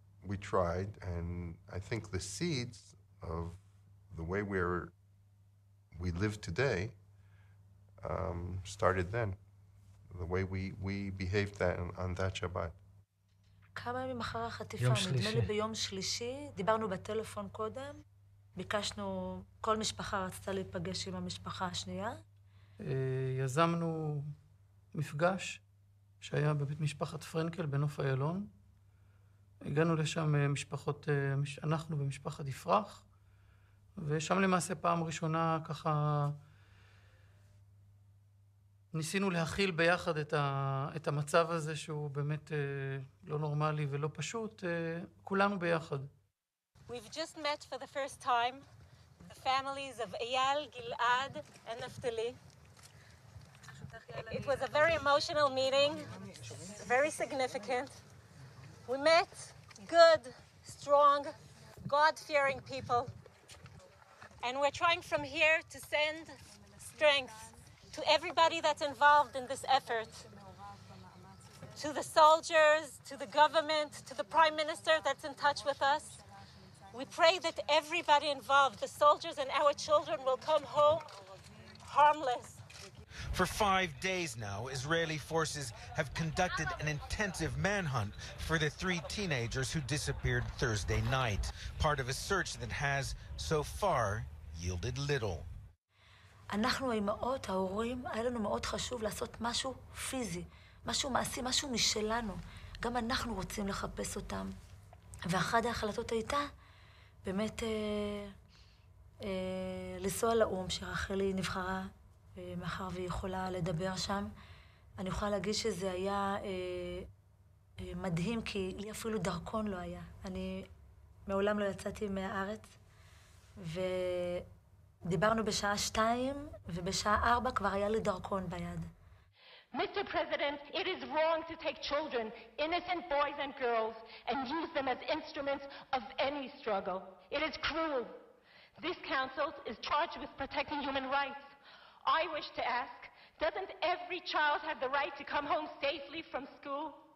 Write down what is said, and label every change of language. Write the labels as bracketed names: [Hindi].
[English] We tried, and I think the seeds of the way we live today started then, the way we behaved then on that Shabbat. [Hebrew] כמה ימים אחר החטיפה, נדמה לי ביום שלישי, דיברנו בטלפון קודם, ביקשנו, כל משפחה רצתה להיפגש עם המשפחה השנייה. יזמנו מפגש שהיה בבית משפחת פרנקל בנוף איילון, הגענו לשם משפחות, אנחנו במשפחת יפרח, ושם למעשה פעם ראשונה ככה ניסינו להכיל ביחד את המצב הזה שהוא באמת לא נורמלי ולא פשוט, כולנו ביחד. [English] We've just met for the first time the families of Eyal, Gil-Ad and Naftali. It was a very emotional meeting, very significant. We met good, strong, God-fearing people. And we're trying from here to send strength to everybody that's involved in this effort. To the soldiers, to the government, to the prime minister that's in touch with us. We pray that everybody involved, the soldiers and our children, will come home harmless. For 5 days now, Israeli forces have conducted an intensive manhunt for the three teenagers who disappeared Thursday night, part of a search that has, so far, yielded little. [Hebrew] אנחנו האימהות, ההורים, היה לנו מאוד חשוב לעשות משהו פיזי, משהו מעשי, משהו משלנו. גם אנחנו רוצים לחפש אותם. ואחד ההחלטות הייתה באמת לנסוע לאום שרחלי נבחרה. מאחר והיא יכולה לדבר שם. אני יכולה להגיד שזה היה מדהים, כי לי אפילו דרכון לא היה. אני מעולם לא יצאתי מהארץ, ודיברנו בשעה 2, ובשעה 4 כבר היה לי דרכון ביד. [English] Mr. President, it is wrong to take children, innocent boys and girls, and use them as instruments of any struggle. It is cruel. This council is charged with protecting human rights. I wish to ask, doesn't every child have the right to come home safely from school?